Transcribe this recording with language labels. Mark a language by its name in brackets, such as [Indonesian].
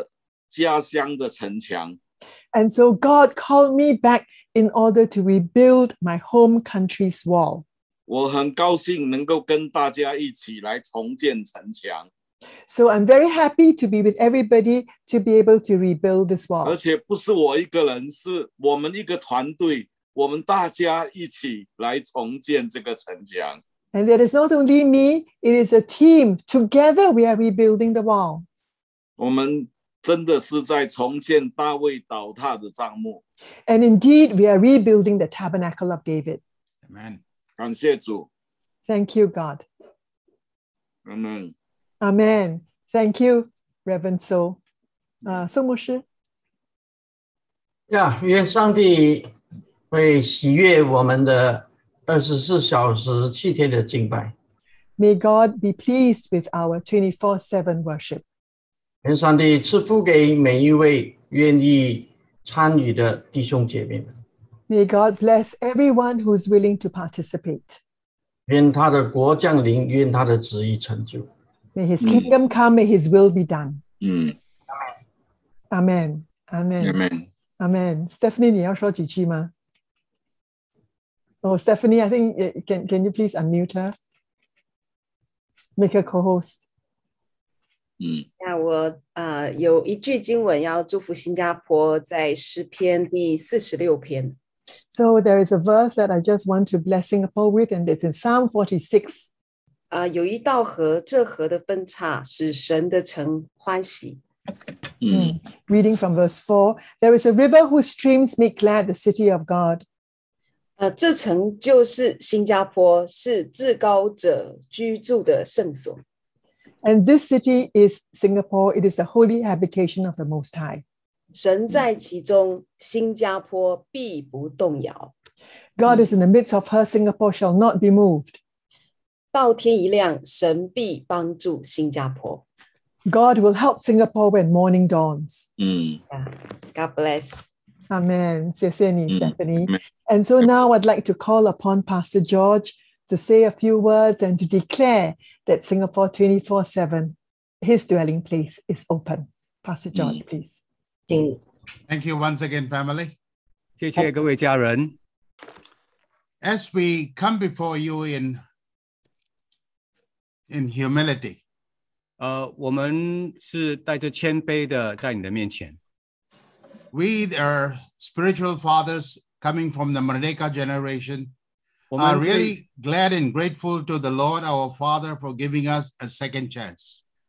[Chinese] 神叫我回来重建这个我的家乡的城墙。 [English] And so God called me back in order to rebuild my home country's wall. [Chinese] 我很高兴能够跟大家一起来重建城墙。 [English] So I'm very happy to be with everybody to be able to rebuild this wall. [Chinese] 而且不是我一个人,是我们一个团队,我们大家一起来重建这个城墙。 [English] And that is not only me, it is a team. Together we are rebuilding the wall. [Chinese] 我们真的是在重建大卫倒塌的帐幕。 [English] And indeed, we are rebuilding the tabernacle of David. Amen. [Chinese] 感谢主。 [English] Thank you, God. Amen. Amen. Thank you, Reverend So. So, 牧师? [Chinese] Yeah, 愿上帝会喜悦我们的24小时7天的敬拜。 [English] May God be pleased with our 24/7 worship. [Chinese] 愿上帝赐福给每一位愿意参与的弟兄姐妹们。 [English] May God bless everyone who is willing to participate. [Chinese] 愿他的国降临,愿他的旨意成就。 [English] May his kingdom come, may his will be done. Amen. Amen. Amen. [Chinese] Amen. Stephanie, 你要说几句吗? [English] Oh, Stephanie, I think, can you please unmute her? Make a co-host. [Chinese] Yeah, 我有一句经文要祝福新加坡在诗篇第46篇。 [English] So there is a verse that I just want to bless Singapore with, and it's in Psalm 46. [Chinese] 有一道河,这河的分岔,使神的城欢喜。 [English] Reading from verse 4, there is a river whose streams make glad the city of God. [Chinese] 这城就是新加坡,是至高者居住的圣所。 [English] And this city is Singapore, it is the holy habitation of the Most High. [Chinese] 神在其中,新加坡必不动摇。 [English] God is in the midst of her, Singapore shall not be moved. [Chinese] 到天一亮,神必帮助新加坡。God [English] will help Singapore when morning dawns. God bless. [Chinese] Amen. 谢谢你, Stephanie. [English] And so now I'd like to call upon Pastor George to say a few words and to declare that Singapore 24/7, his dwelling place, is open. Pastor George, please. Thank you once again, family. [Chinese] 谢谢各位家人。 [English] As we come before you in humility. [Chinese] 我们是带着谦卑的在你的面前。 [English] We are spiritual fathers coming from the Merdeka generation. We are really glad and grateful to the Lord our Father for giving us a second chance.